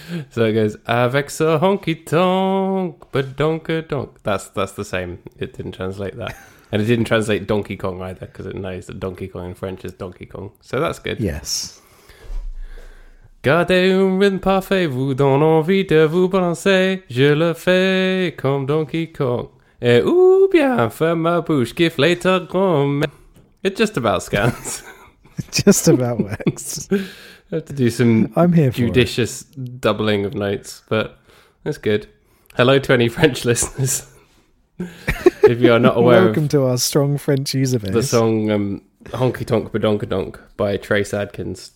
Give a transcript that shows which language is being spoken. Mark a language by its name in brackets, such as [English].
[English] So it goes, [French] avec ce honky-tonk, badonkadonk. [English] That's the same. It didn't translate that. And it didn't translate Donkey Kong either, because it knows that Donkey Kong in French is Donkey Kong. So that's good. Yes. [French] Gardez un rythme parfait, vous donne envie de vous balancer. Je le fais comme Donkey Kong. Et ou bien, ferme ma bouche, gifle ta grand-mère. [English] It just about scans. It just about works. I have to do some judicious doubling of notes, but that's good. Hello to any French listeners. If you are not aware, welcome to our strong French user base. The song Honky Tonk Badonkadonk by Trace Adkins.